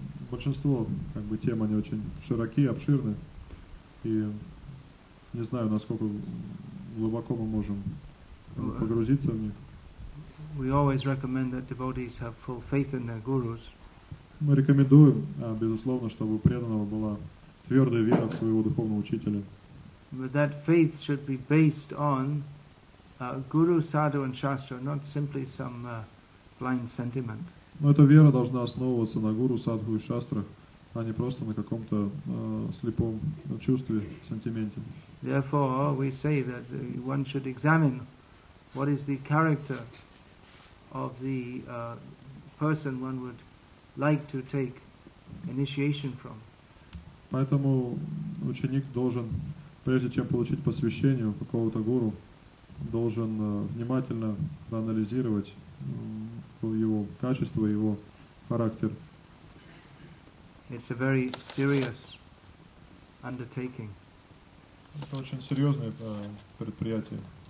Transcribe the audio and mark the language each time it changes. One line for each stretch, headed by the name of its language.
Russian: Большинство как бы тем они очень широкие, обширные, и не знаю, насколько глубоко мы можем погрузиться в них.
English: We always recommend that devotees have full faith in their gurus.
Russian: Мы рекомендуем, безусловно, чтобы у преданного была твердая вера в своего духовного учителя.
English: But that faith should be based on guru, sadhu, and shastra, not simply some blind sentiment.
Russian: Но эта вера должна основываться на гуру, садху и шастрах, а не просто на каком-то слепом чувстве, сентименте.
English: Therefore, we say that one should examine what is the character of the person one would like to take initiation from.
Russian: Поэтому ученик должен, прежде чем получить посвящение у какого-то гуру, должен внимательно проанализировать его качество, его характер.
English: It's a very serious undertaking.
Russian: Это очень серьезное предприятие.